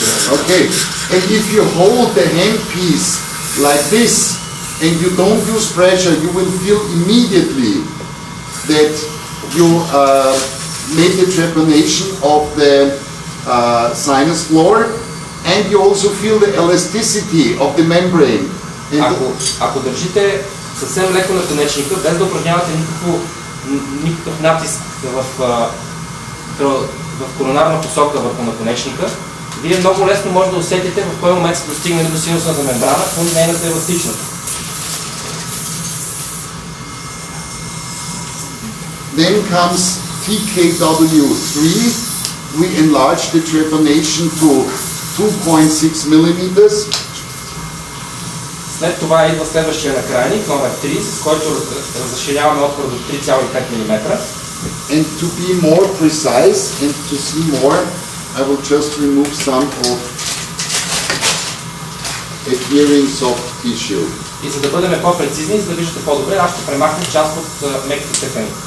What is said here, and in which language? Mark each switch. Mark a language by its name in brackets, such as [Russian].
[English] Okay, and if you hold the handpiece like this and you don't use pressure, you will feel immediately that you made the trepanation of the sinus floor, and you also feel the elasticity of the membrane. [Bulgarian] Ако държите съвсем леко на конечника, без да упражнявате никакъв натиск в коронарна посока върху наконечника, вие много лесно може да усетите в кой момент се достигне до синусната мембрана, по нейната еластичност. [English] Then comes TKW-3. We enlarge the trepanation to 2.6 mm. [Bulgarian] След това идва следващия накрайник, номер 3, с който разширяваме отвор до 3,5 мм. [English] And to be more precise and to see more, I will just remove some of adhering soft tissue. [Bulgarian] И за да бъдем по-прецизни, за да виждате по-добре, аз ще премахна част от мекото тъкан.